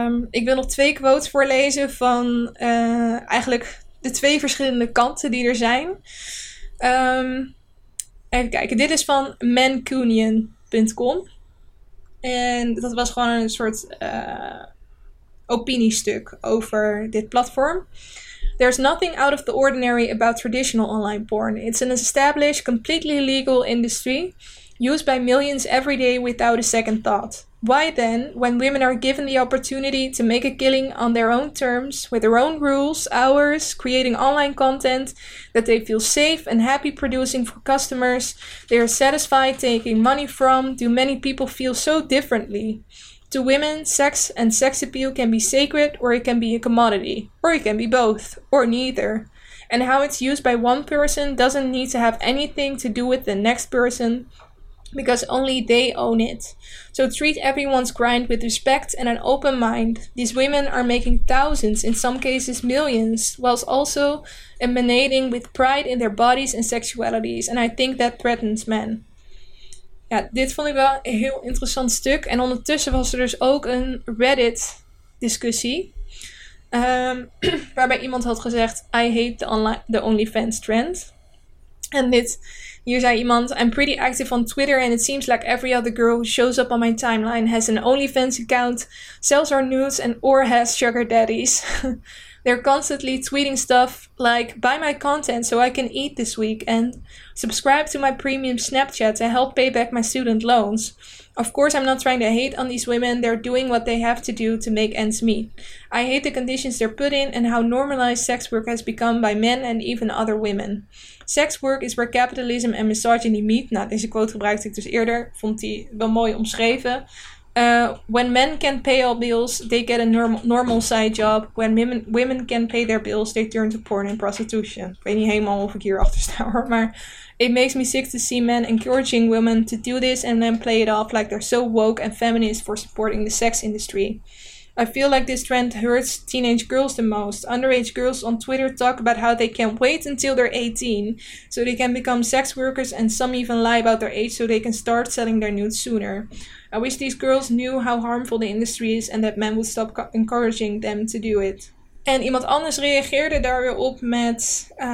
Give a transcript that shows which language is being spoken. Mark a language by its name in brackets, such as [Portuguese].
[Dutch] Ik wil nog twee quotes voorlezen van eigenlijk de twee verschillende kanten die er zijn. Even kijken. Dit is van mancunion.com. En dat was gewoon een soort opiniestuk over dit platform. [English] There's nothing out of the ordinary about traditional online porn. It's an established, completely legal industry used by millions every day without a second thought. Why then, when women are given the opportunity to make a killing on their own terms, with their own rules, hours, creating online content that they feel safe and happy producing for customers, they are satisfied taking money from, do many people feel so differently? To women, sex and sex appeal can be sacred, or it can be a commodity, or it can be both, or neither. And how it's used by one person doesn't need to have anything to do with the next person, because only they own it. So treat everyone's grind with respect and an open mind. These women are making thousands, in some cases millions, whilst also emanating with pride in their bodies and sexualities. And I think that threatens men. [Dutch] Ja, dit vond ik wel een heel interessant stuk. En ondertussen was er dus ook een Reddit-discussie. waarbij iemand had gezegd, [English] I hate the OnlyFans trend. [Dutch] En dit, hier zei iemand, [English] I'm pretty active on Twitter and it seems like every other girl who shows up on my timeline has an OnlyFans account, sells her nudes and or has sugar daddies. They're constantly tweeting stuff like, buy my content so I can eat this week, and subscribe to my premium Snapchat to help pay back my student loans. Of course, I'm not trying to hate on these women. They're doing what they have to do to make ends meet. I hate the conditions they're put in and how normalized sex work has become by men and even other women. Sex work is where capitalism and misogyny meet. [Dutch] Nou, deze quote gebruikte ik dus eerder. Vond die wel mooi omschreven. [English] When men can pay all bills, they get a normal side job. When women can pay their bills, they turn to porn and prostitution. [Dutch] Ik weet niet helemaal of ik hier achter sta hoor, maar... [English] It makes me sick to see men encouraging women to do this and then play it off like they're so woke and feminist for supporting the sex industry. I feel like this trend hurts teenage girls the most. Underage girls on Twitter talk about how they can't wait until they're 18 so they can become sex workers, and some even lie about their age so they can start selling their nudes sooner. I wish these girls knew how harmful the industry is and that men would stop encouraging them to do it. [Dutch] En iemand anders reageerde daar weer op met...